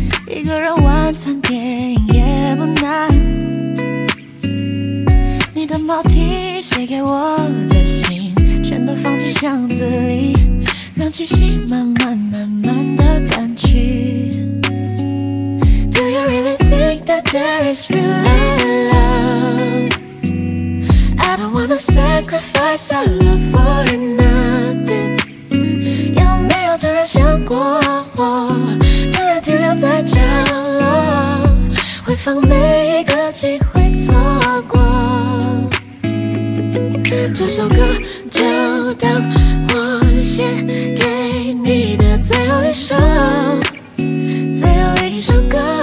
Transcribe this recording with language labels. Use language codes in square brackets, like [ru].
[zh] 一个人晚餐电影也不难，你的毛剃写给我的信全都放进箱子里，让气息慢慢慢慢的淡去。 [en] Do you really think that there is really love? I don't wanna sacrifice our love for nothing. [zh] 有没有突然想过我突然停留在角落，回放每一个机会错过，这首歌就当我写给你的最后一首，最后一首歌。